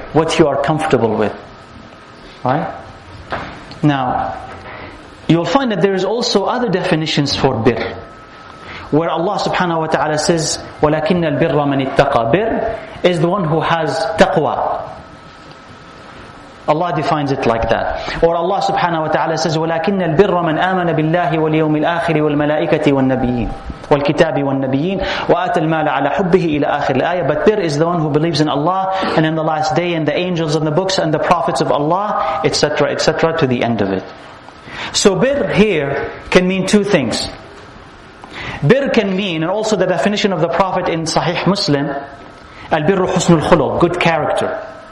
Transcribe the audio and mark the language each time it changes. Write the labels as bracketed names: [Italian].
[English] What you are comfortable with. Right? Now, you'll find that there is also other definitions for bir. Where Allah subhanahu wa ta'ala says, [Arabic] وَلَكِنَّ الْبِرَّ مَنِ اتَّقَى. [English] Bir is the one who has taqwa. Allah defines it like that. Or Allah subhanahu wa ta'ala says, [Arabic] وَلَكِنَّ الْبِرَّ مَنْ آمَنَ بِاللَّهِ وَالْيَوْمِ الْآخِرِ وَالْمَلَائِكَةِ وَالنَّبِيِّينَ وَالْكِتَابِ وَالنَّبِيِّينَ وَآتَ الْمَالَ عَلَى حُبِّهِ إِلَى آخِرِ الْآيَةِ. [English] But bir is the one who believes in Allah and in the last day and the angels and the books and the prophets of Allah, etc., etc., to the end of it. So bir here can mean two things. Bir can mean, and also the definition of the Prophet in Sahih Muslim, [Arabic] al-birru husnul khuluq, [English] good character.